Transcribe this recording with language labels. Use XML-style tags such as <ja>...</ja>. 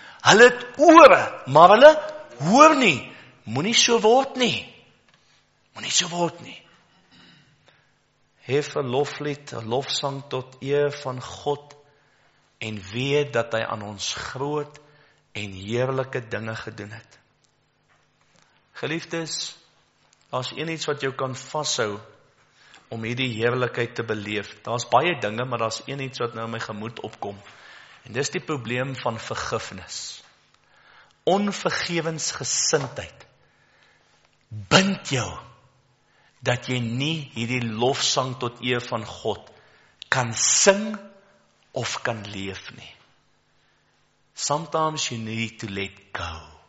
<af>Hulle het ore, maar hulle hoor nie. Moenie so word nie. Moenie so word nie. Hef 'n loflied, 'n lofsang tot eer van God en weet dat hy aan ons groot en heerlike dinge gedoen het. Geliefdes, daar's een iets wat jou kan vashou om hierdie heerlikheid te beleef. Daar's baie dinge, maar daar's een iets wat nou in my gemoed opkom. En dis die probleem van vergifnis. Onvergewensgesindheid bind jou dat jy nie hierdie lofsang tot eer van God kan sing of kan leef nie.</af> <en>Sometimes you need to let go.</en>